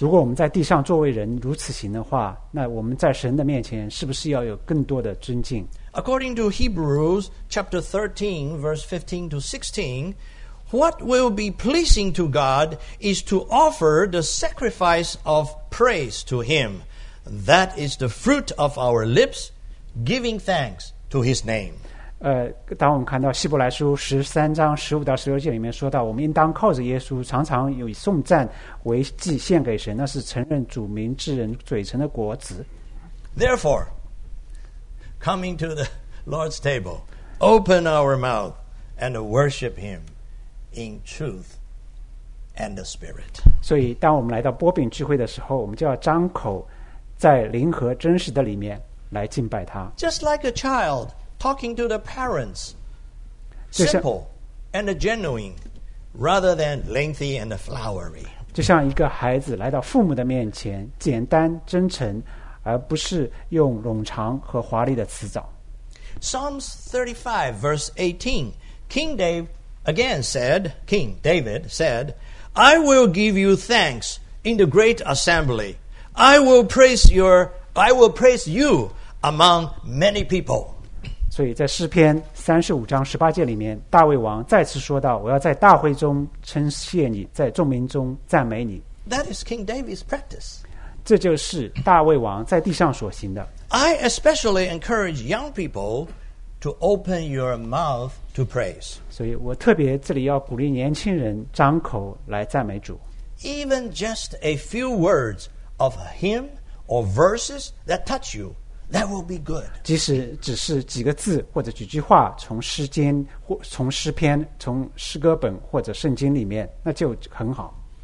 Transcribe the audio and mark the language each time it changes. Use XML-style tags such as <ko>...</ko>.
<zh>如果我们在地上作为人如此行的话，那我们在神的面前是不是要有更多的尊敬？</zh> <en>According to Hebrews chapter 13, verse 15 to 16, what will be pleasing to God is to offer the sacrifice of praise to Him. That is the fruit of our lips, giving thanks to His name.</en> <zh>当我们看到希伯来书13:15-16里面说到，我们应当靠着耶稣，常常有以颂赞为祭献给神，那是承认主名之人嘴唇的果子。</zh> <en>Therefore, coming to the Lord's table, open our mouth and worship Him in truth and the spirit.</en> <zh>所以，当我们来到薄饼聚会的时候，我们就要张口在灵和真实的里面来敬拜他。</zh> <en>Just like a child talking to the parents, simple and genuine, rather than lengthy and flowery.</en> <zh>就像一个孩子来到父母的面前，简单真诚，而不是用冗长和华丽的辞藻。</zh> <en>Psalms 35 verse 18, King David again said, King David said, I will give you thanks in the great assembly. I will praise you among many people.</en> <zh>所以在诗篇35章18节里面，大卫王再次说到，我要在大会中称谢你，在众民中赞美你。</zh> <en>That is King David's practice.</en> <zh>这就是大卫王在地上所行的。</zh> <en>I especially encourage young people to open your mouth to praise.</en> <zh>所以我特别这里要鼓励年轻人张口来赞美主。</zh> <en>Even just a few words of a hymn or verses that touch you, that will be good.</en> <zh>即使只是几个字或者几句话从诗间或从诗篇从诗歌本或者圣经里面，那就很好。</zh>